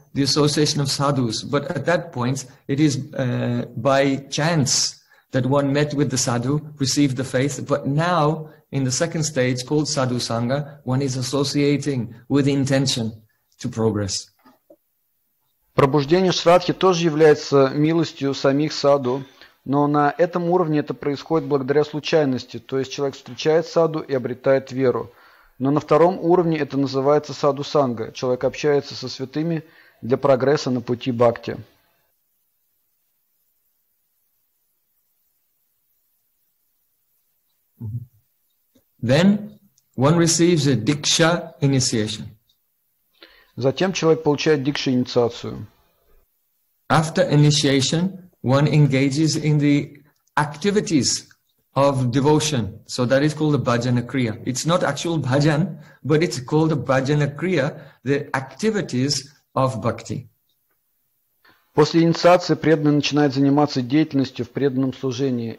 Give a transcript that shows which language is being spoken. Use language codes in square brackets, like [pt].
[en] the association of sadhus. But at that point, it is by chance that one met with the sadhu, received the faith. But now, in the second stage, called sadhu sangha, one is associating with intention to progress. [ru] Пробуждение Шраддхи тоже является милостью самих саду, но на этом уровне это происходит благодаря случайности, то есть человек встречает саду и обретает веру. Но на втором уровне это называется саду-санга, человек общается со святыми для прогресса на пути бхакти. [en] Then one receives a diksha initiation. [ru] Затем человек получает дикша-инициацию. [en] After initiation, one engages in the activities of devotion. So that is called a bhajana kriya. It's not actual bhajan, but it's called a bhajana kriya, the activities of bhakti. [ru] После инициации преданный начинает заниматься деятельностью в преданном служении.